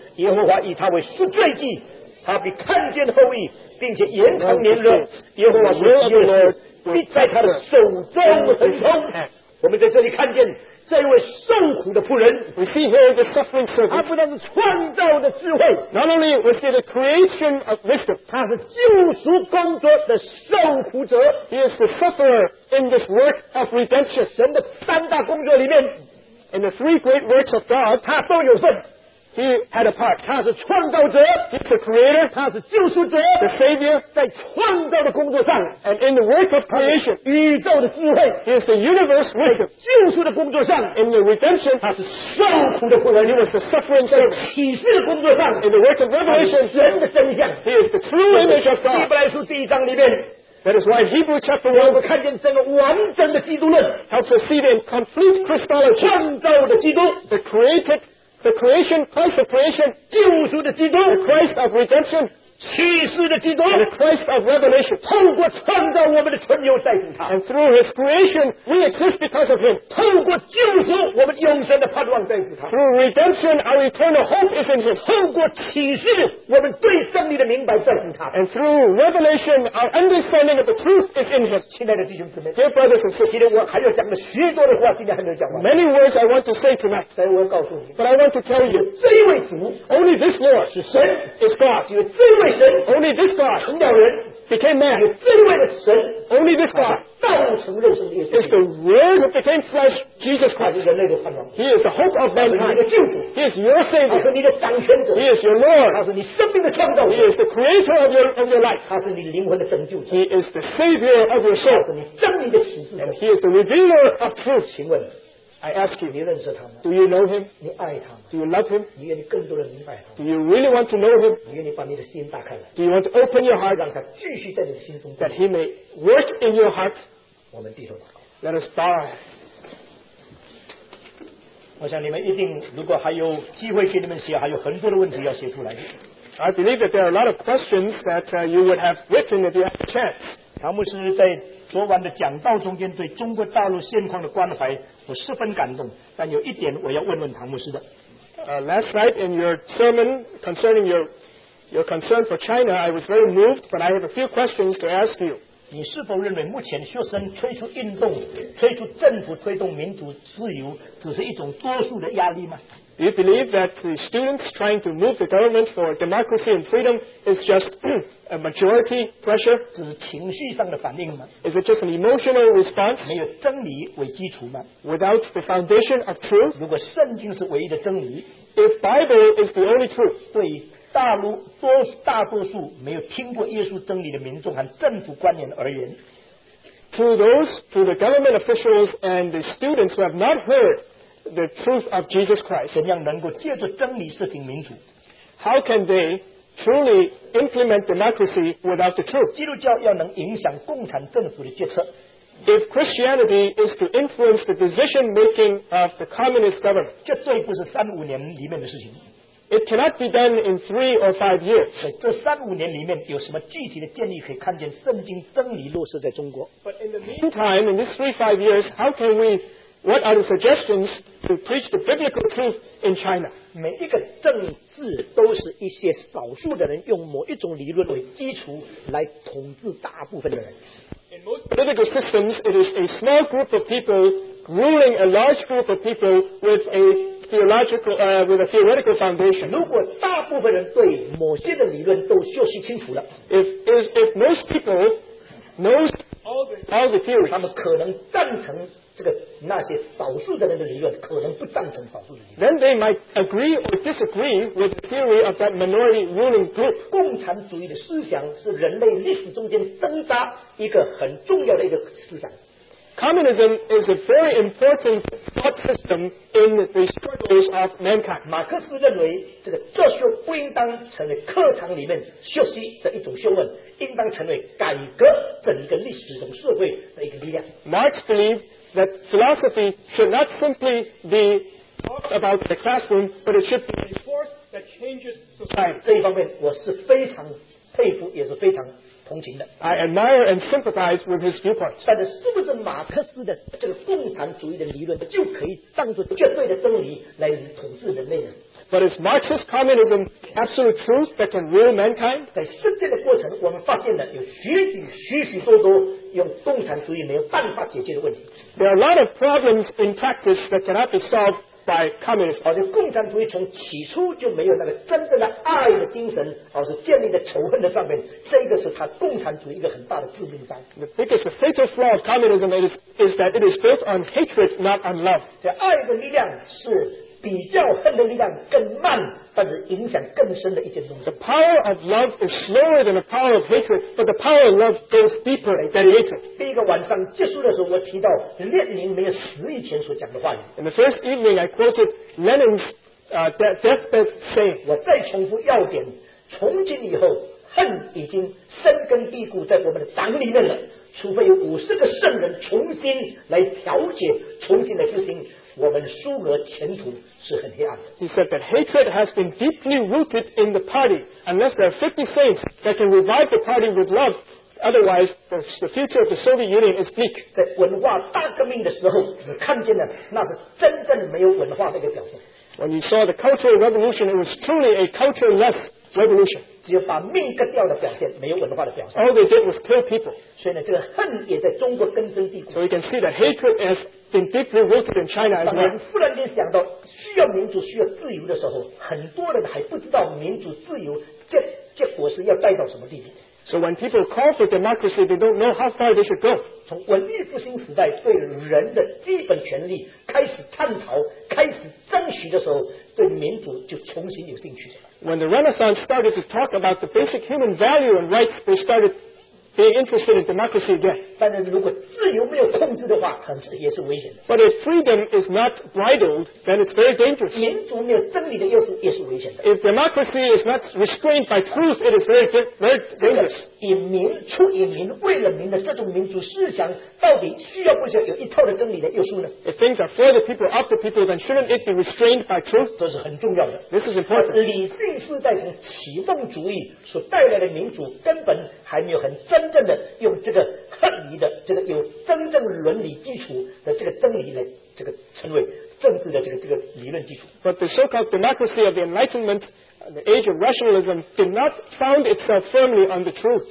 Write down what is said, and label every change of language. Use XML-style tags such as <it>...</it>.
<zh>耶和华以他为赎罪祭，他必看见后裔，并且延长年日。耶和华所喜悦的事必在他的手中亨通。我们在这里看见这位受苦的仆人，他不但是创造的智慧，</zh> <en>Not only was he the creation of wisdom,</en> <zh>他是救赎工作的受苦者。</zh> <en>He is the sufferer in this work of redemption.</en> <zh>神的三大工作里面，</zh> <en>In the three great works of God,</en> <zh>他都有份。</zh> <en>He had a part.</en> <zh>他是创造者，</zh> <en>He's the creator.</en> <zh>他是救赎者，</zh> <en>The savior.</en> <zh>在创造的工作上，</zh> <en>And in the work of creation.</en> <zh>宇宙的智慧，</zh> <en>He is the universe wisdom.</en> <zh>救赎的工作上，</zh> <en>In the redemption.</en> <zh>他是受苦的仆人，</zh> <en>He was the suffering servant.</en> <zh>启示的工作上，</zh> <en>In the work of revelation.</en> <zh>神的真相，</zh> <en>He is the true image of God.</en> <zh>希伯来书第一章里面，</zh> <en>That is why Hebrew chapter 1.</en> <zh>我们看见整个完整的基督论，</zh> <en>Helps us see in complete Christology.</en> <zh>创造的基督，</zh> <en>The created The creation, Christ of creation,</en> <zh>救赎的基督，</zh> <en>the Christ of redemption,</en> <zh>启示的基督，</zh> <en>and the Christ of revelation,</en> <zh>透过创造我们的存有在乎他，</zh> <en>and through his creation, we exist because of him,</en> <zh>透过救赎我们永生的盼望在乎他，</zh> <en>through redemption, our eternal hope is in him,</en> <zh>透过启示我们对真理的明白在乎他，</zh> <en>and through revelation, our understanding of the truth is in him.</en> <zh>亲爱的弟兄姊妹，</zh> <en>dear brothers and sisters,</en> <zh>今天我还要讲的许多的话今天还没有讲完，</zh> <en>many words I want to say tonight,</en> <zh>但我要告诉你，</zh> <en>but I want to tell you,</en> <zh>这一位主，</zh> <en>only this Lord,</en> <zh>是神，</zh> <en>is God,</en> <zh>只有这一位</zh> <en>Only this God</en> <zh>成了人</zh> <en>became man.</en> <zh>这一位的神</zh> <en>Only this God</en> <zh>道成肉身的耶稣</zh> <en>is the Word who became flesh, Jesus Christ.</en> <zh>人类的盼望</zh> <en>He is the hope of mankind.</en> <zh>他是你的救主</zh> <en>He is your Savior.</en> <zh>他是你的掌权者</zh> <en>He is your Lord.</en> <zh>他是你生命的创造者</zh> <en>He is the Creator of your life.</en> <zh>他是你灵魂的拯救者</zh> <en>He is the Savior of your soul.</en> <zh>他是你真理的启示者</zh> <en>He is the Revealer of truth.</en> <zh>请问</zh> <en>I ask you,</en> <zh>你认识他吗？</zh> <en>Do you know him?</en> <zh>你爱他吗？</zh> <en>Do you love him?</en> <zh>你愿意更多的明白他吗？</zh> <en>Do you really want to know him?</en> <zh>你愿意把你的心打开来？</zh> <en>Do you want to open your heart?</en> <zh>让他继续在你的心中。</zh> <en>That he may work in your heart.</en> <zh>我们低头祷告。</zh> <en>Let us bow.</en> <zh>我想你们一定如果还有机会给你们写还有很多的问题要写出来的。</zh> <en>I believe that there are a lot of questions that you would have written if you had a chance.</en> <zh>乔牧师在昨晚的讲道中间对中国大陆现况的关怀我十分感动但有一点我要问问唐牧师的。</zh> <en>Last night in your sermon concerning your concern for China, I was very moved, but I have a few questions to ask you.</en> <zh>你是否认为目前学生推出运动、推出政府推动民主自由只是一种多数的压力吗？</zh> <en>Do you believe that the students trying to move the government for democracy and freedom is just a majority pressure?</en> <zh>这是情绪上的反应吗？</zh> <en>Is it just an emotional response?</en> <zh>没有真理为基础吗？</zh> <en>Without the foundation of truth?</en> <zh>如果圣经是唯一的真理，</zh> <en>If Bible is the only truth?</en> <zh>对大陆多大多数没有听过耶稣真理的民众和政府官员而言，</zh> <en>To the government officials and the students who have not heardThe truth of Jesus Christ.</en> <zh>怎样能够借着真理实行民主？</zh> <en>How can they truly implement democracy without the truth?</en> <zh>基督教要能影响共产政府的决策。</zh> <en>If Christianity is to influence the decision making of the communist government,</en> <zh>绝对不是三五年里面的事情。</zh> <en>It cannot be done in 3 or 5 years.</en> <zh>在这三五年里面，有什么具体的建议可以看见圣经真理落实在中国？</zh> <en>But in the meantime, in these 3-5 years, how can we? What are the suggestions to preach the biblical truth in China?</en> <zh>每一个政治都是一些少数的人用某一种理论为基础来统治大部分的人。</zh> <en>In most political systems, it is a small group of people ruling a large group of people with a theoretical foundation.</en> <zh>如果大部分人对某些的理论都学习清楚了，</zh> <en>If most people know all the theories,</en> <zh>他们可能赞成这个那些少数的人的理论可能不赞成少数的理论。</zh> <en>Then they might agree or disagree with the theory of that minority ruling group.</en> <zh>共产主义的思想是人类历史中间挣扎一个很重要的一个思想。</zh> <en>Communism is a very important thought system in the struggles of mankind.</en> <zh>马克思认为这个哲学不应当成为课堂里面学习的一种学问，应当成为改革整个历史中社会的一个力量。</zh> <en>Marx believed. That philosophy should not simply be about the classroom, but it should be a force that changes society.</en> <zh>这一方面我是非常佩服，也是非常同情的。</zh> <en>I admire and sympathize with his viewpoint.</en> <zh>但是，是不是马克思的这个共产主义的理论就可以当作绝对的真理来统治人类呢？</zh> <en>But is Marxist communism absolute truth that can rule mankind?</en> <zh>在实践的过程，我们发现了有许许多多用共产主义没有办法解决的问题。</zh> <en>There are a lot of problems in practice that cannot be solved by communism.</en> <zh>而且共产主义从起初就没有那个真正的爱的精神，而是建立在仇恨的上面。这个是他共产主义一个很大的致命伤。</zh> <en>The biggest fatal flaw of communism is that it is built on hatred, not on love.</en> <zh>这爱的力量是比较恨的力量更慢，但是影响更深的一件东西。</zh> <en>The power of love is slower than the power of hatred, but the power of love goes deeper than hatred.</en> <zh>第一个晚上结束的时候，我提到列宁没有死以前所讲的话语。</zh> <en>In the first evening, I quoted Lenin's deathbed saying.</en> <zh>我再重复要点：从今以后，恨已经深根蒂固在我们的党里面了。除非有50个圣人重新来调解，重新来复兴。我们苏俄前途是很黑暗的。</zh> <en>He said that hatred has been deeply rooted in the party. Unless there are 50 saints that can revive the party with love, otherwise the future of the Soviet Union is bleak.</en> <zh>在文化大革命的时候，你看见了那是真正没有文化的一个表现。</zh> <en>When you saw the Cultural Revolution, it was truly a cultureless revolution.</en> <zh>只有把命割掉的表现，没有文化的表现。</zh> <en>All they did was kill people.</en> <zh>所以呢，这个恨也在中国根深蒂固。</zh> <en>So you can see that hatred is. Been deeply rooted in China as well.</en> <zh>当人忽然间想到需要民主、需要自由的时候，很多人还不知道民主、自由结果是要带到什么地步。</zh> <en>So when people call for democracy, they don't know how far they should go.</en> <zh>从文艺复兴时代对人的基本权利开始探讨、开始争取的时候，对民主就重新有兴趣了。</zh> <en>When the Renaissance started to talk about the basic human value and rights, they started be interested in democracy again.</en> <zh>但是如果自由没有控制的话，可能是也是危险的。</zh> <en>But if freedom is not bridled, then it's very dangerous.</en> <zh>民主没有真理的又是也是危险的。</zh> <en>If democracy is not restrained by truth, it is very dangerous.</en> <zh>引民出引民为了民的这种民主思想，到底需要不需要有一套的真理的约束呢？</zh> <en>If things are for the people, of the people, then shouldn't it be restrained by truth?</en> <zh>这是很重要的。</zh> <en>This is important.</en> <zh>理性时代从启蒙主义所带来的民主根本还没有很真正的用这个合理的这个有真正伦理基础的这个真理来这个称为政治的这个理论基础。</zh> <en>But the so-called democracy of the Enlightenment, the age of rationalism, did not found itself firmly on the truth.</en>